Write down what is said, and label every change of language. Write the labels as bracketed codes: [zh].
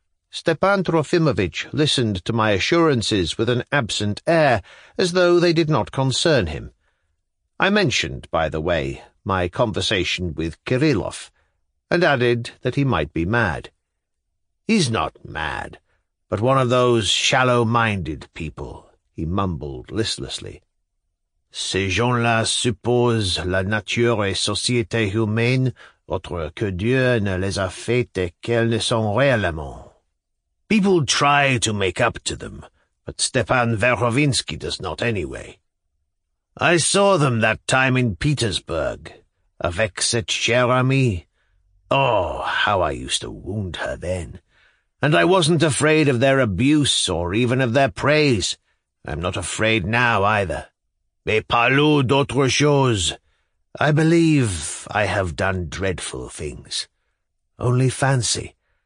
[en] Stepan Trofimovitch listened to my assurances with an absent air, as though they did not concern him. I mentioned, by the way, my conversation with Kirillov, and added that he might be mad. "He's not mad, but one of those shallow-minded people," he mumbled listlessly. [fr] "Ces gens-là supposent la nature et société humaine autre que Dieu ne les a faites et qu'elles ne sont réellement. [en] People try to make up to them, but Stepan Verhovinsky does not anyway. I saw them that time in Petersburg, [fr] avec cette chère amie. [en] Oh, how I used to wound her then. And I wasn't afraid of their abuse or even of their praise. I'm not afraid now, either. [fr] Mais parlons d'autre chose. [en] I believe I have done dreadful things. Only fancy.